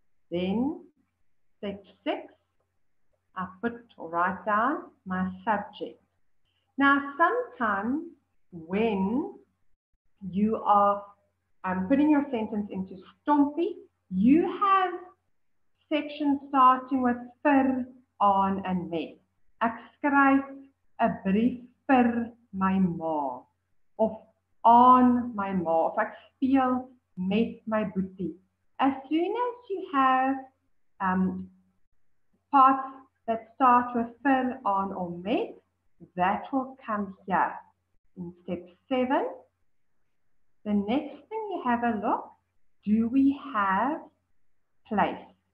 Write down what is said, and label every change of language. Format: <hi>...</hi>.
<en>Then, step 6. I put or write down my subject. Now, sometimes when you are putting your sentence into stompie, you have sections starting with vir, aan, and me.</en> <af>Ek skryf 'n brief vir my ma, of aan my ma, of ek speel met my boetie.</af> <en>As soon as you have parts that start with vir, aan, or me, that will come here in step 7. The next thing you have a look, do we have place?</en>